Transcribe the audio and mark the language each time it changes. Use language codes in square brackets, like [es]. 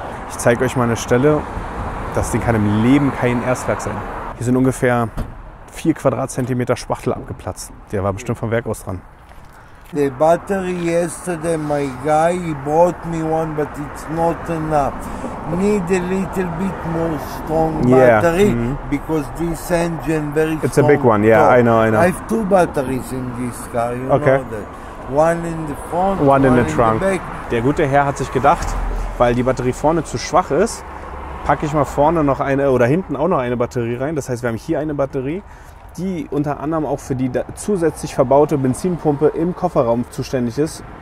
[de] Ich zeige euch mal eine Stelle, das Ding kann im Leben kein Erstwerk sein. Hier sind ungefähr 4 Quadratzentimeter Spachtel abgeplatzt. Der war bestimmt vom Werk aus dran. [en] The battery yesterday, my guy, he bought me one, but it's not enough. Need a little bit more strong battery, yeah. Mm-hmm. Because this engine very it's strong. It's a big one, yeah, top. I know. I have two batteries in this car, you okay. know that. One in the front, one in the trunk. In the back. [de] Der gute Herr hat sich gedacht, weil die Batterie vorne zu schwach ist, packe ich mal vorne noch eine oder hinten auch noch eine Batterie rein. Das heißt, wir haben hier eine Batterie, die unter anderem auch für die zusätzlich verbaute Benzinpumpe im Kofferraum zuständig ist.